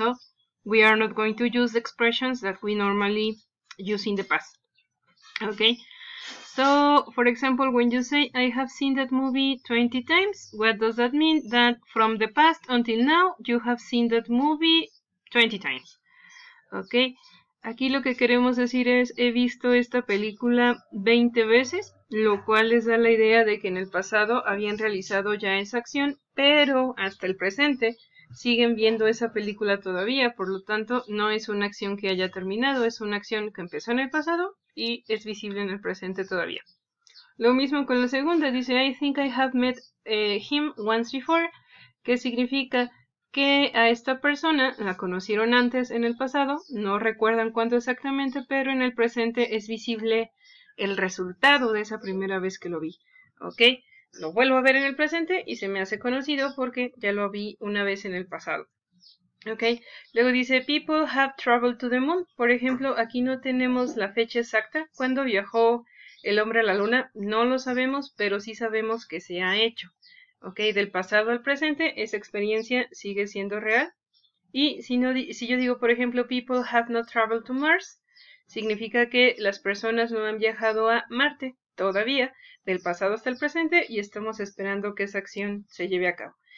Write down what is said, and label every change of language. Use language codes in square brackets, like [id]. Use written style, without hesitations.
[en] So, we are not going to use expressions that we normally use in the past. Okay? So, for example, when you say, I have seen that movie 20 times, what does that mean? That from the past until now, you have seen that movie 20 times. Okay? [es] Aquí lo que queremos decir es, he visto esta película 20 veces, lo cual les da la idea de que en el pasado habían realizado ya esa acción, pero hasta el presente siguen viendo esa película todavía, por lo tanto, no es una acción que haya terminado, es una acción que empezó en el pasado y es visible en el presente todavía. Lo mismo con la segunda, dice, [en] I think I have met him once before, [es] que significa que a esta persona la conocieron antes en el pasado, no recuerdan cuándo exactamente, pero en el presente es visible el resultado de esa primera vez que lo vi, ¿ok? Lo vuelvo a ver en el presente y se me hace conocido porque ya lo vi una vez en el pasado. Ok, luego dice, [en] people have traveled to the moon. [es] Por ejemplo, aquí no tenemos la fecha exacta. ¿Cuándo viajó el hombre a la luna? No lo sabemos, pero sí sabemos que se ha hecho. Ok, del pasado al presente, esa experiencia sigue siendo real. Y si, no, si yo digo, por ejemplo, [en] people have not traveled to Mars, [es] significa que las personas no han viajado a Marte todavía, del pasado hasta el presente, y estamos esperando que esa acción se lleve a cabo.